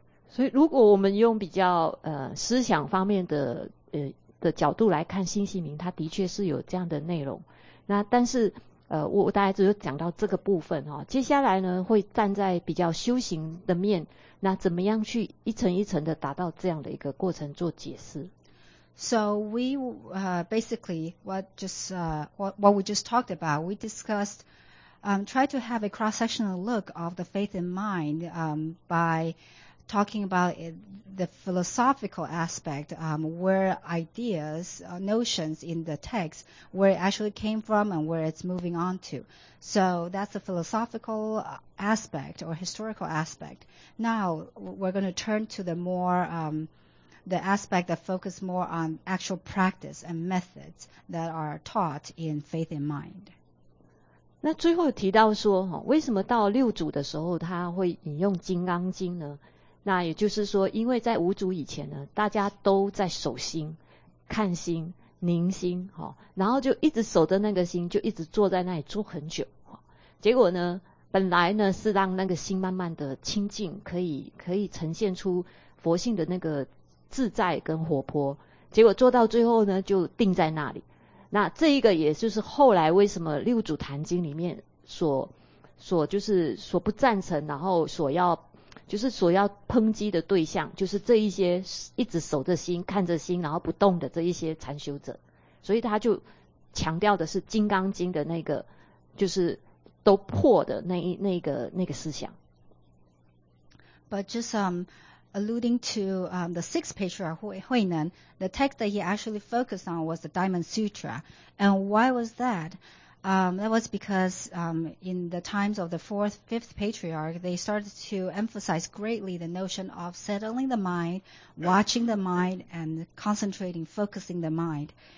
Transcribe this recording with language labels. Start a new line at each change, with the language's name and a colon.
Chinese: 所以如果我们用比较思想方面的的角度来看新西明，它的确是有这样的内容。那但是我大概只有讲到这个部分哦，接下来呢会站在比较修行的面，那怎么样去一层一层的达到这样的一个过程做解释。
English: So we basically what we just talked about, we discussed try to have a cross-sectional look of the faith in mind by talking about it, the philosophical aspect, where ideas, notions in the text, where it actually came from and where it's moving on to. So that's the philosophical aspect or historical aspect. Now we're going to turn to the more the aspect that focuses more on actual practice and methods that are taught in faith in mind.
Chinese: 那最后提到说，为什么到六祖的时候他会引用《金刚经》呢？那也就是说，因为在五祖以前呢，大家都在守心、看心、凝心，然后就一直守着那个心，就一直坐在那里坐很久。结果呢，本来呢是让那个心慢慢的清净，可以呈现出佛性的那个自在跟活泼，结果做到最后呢就定在那里。那这一个也就是后来为什么六祖坛经里面所就是所不赞成，然后所要抨击的对象，就是这一些一直守着心看着心然后不动的这一些禅修者。所以他就强调的是金刚经的那个就是都破的那个思想。
English: But just alluding to the sixth patriarch Huinen, the text that he actually focused on was the Diamond Sutra. And why was that? That was because in the times of the fourth, fifth patriarch, they started to emphasize greatly the notion of settling the mind, watching the mind, and concentrating, focusing the mind.